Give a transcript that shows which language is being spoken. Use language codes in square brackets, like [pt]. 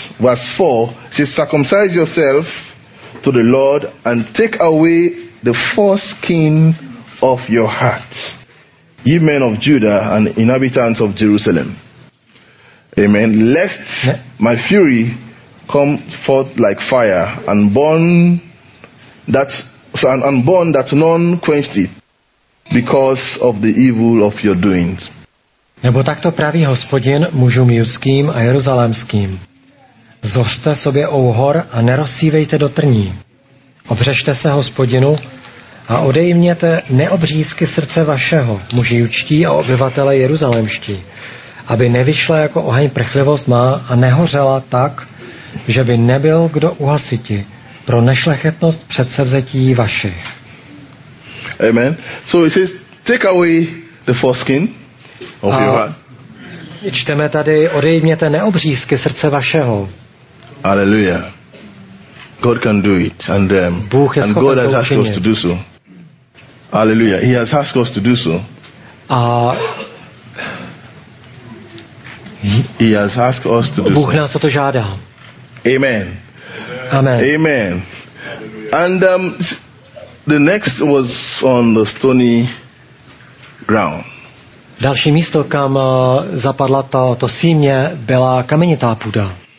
[en] Verse 4 says, circumcise yourself to the Lord and take away the foreskin of your heart, ye men of Judah and inhabitants of Jerusalem. Amen. Lest my fury come forth like fire and burn that none quenched it because of the evil of your doings. [cs] Nebo takto praví Hospodin mužům judským a jeruzalémským. Zořte sobě úhor a nerozsívejte do trní. Obřešte se Hospodinu a odejměte neobřízky srdce vašeho, muži judští a obyvatele jeruzalémští, aby nevyšla jako oheň prchlivost má a nehořela tak, že by nebyl kdo uhasiti pro nešlechetnost předsevzetí vašich. Amen. [en] So it says, take away the foreskin. [cs] A čteme tady, odejměte neobřízky srdce vašeho. Alleluja. [en] God can do it, and God has asked us to do so. Alleluja. He has asked us to do so. He has asked us to do so. [cs] Bůh nás o to žádá. Amen. Amen. Amen. [en] And the next was on the stony ground. [cs] Další místo, kam zapadla to símě, byla kamenitá půda.